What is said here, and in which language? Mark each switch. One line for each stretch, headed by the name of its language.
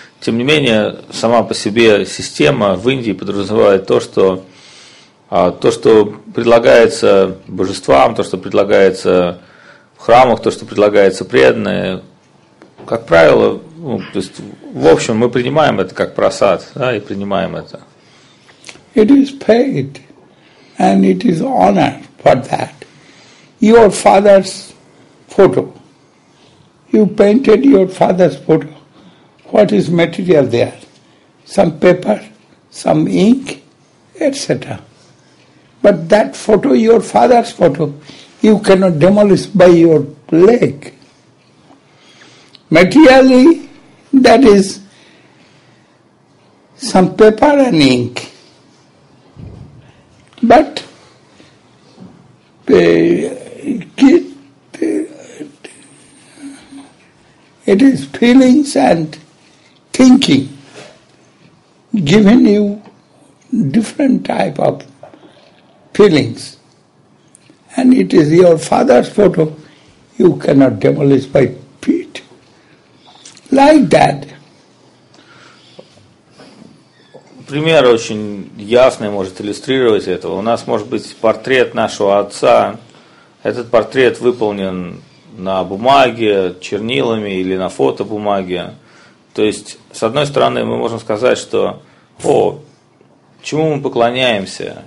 Russian: Тем не менее, сама по себе система в Индии подразумевает то, что предлагается божествам, то, что предлагается в храмах, то, что предлагается преданное, как правило, ну, то есть, в общем, мы принимаем это как просад, да, и принимаем это.
English: It is paid, and it is honor for that. Your father's photo. You painted your father's photo. What is material there? Some paper, some ink, etc. But that photo, your father's photo, you cannot demolish by your leg. Materially, that is some paper and ink. But it is feelings and thinking giving you different type of feelings, and it is your father's photo you cannot demolish by feet. Like that.
Russian: Пример очень ясный может иллюстрировать это. У нас может быть портрет нашего отца. Этот портрет выполнен на бумаге, чернилами или на фотобумаге. То есть, с одной стороны, мы можем сказать, что о, чему мы поклоняемся?